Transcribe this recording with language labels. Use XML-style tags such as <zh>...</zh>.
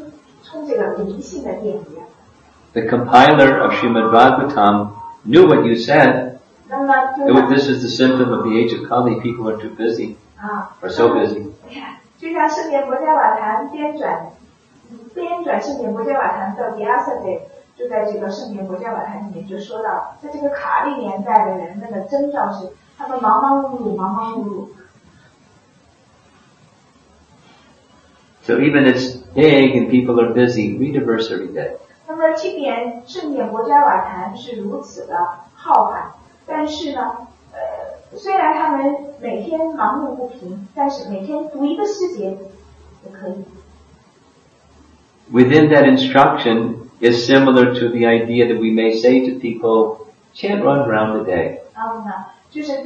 <zh>一个人他每天这样慢慢的每天阅读一个世界，每天阅读一个像这样充满灵性力量的这样的一个世界，日积月累，那就累积了不少。他也就会被就是就像充电一样，充这个灵性的电一样。</zh> <en>The compiler of Srimad Bhagavatam knew what you said.</en> <zh>那么就是,</zh> <en>this is the symptom of the age of Kali. People are too busy. Or so busy.</en> <zh>就像圣典佛教瓦坛编撰的，编撰圣典佛教瓦坛的第二册的，就在这个圣典佛教瓦坛里面就说到，在这个卡里年代的人那个征兆是，他们忙忙碌碌，忙忙碌碌。</zh> <en>So even it's big and people are busy, read a verse every day.</en> <zh>那么即便圣典佛教瓦坛是如此的浩瀚，但是呢。</zh> <en>Within that instruction is similar to the idea that we may say to people, chant one round a day.</en>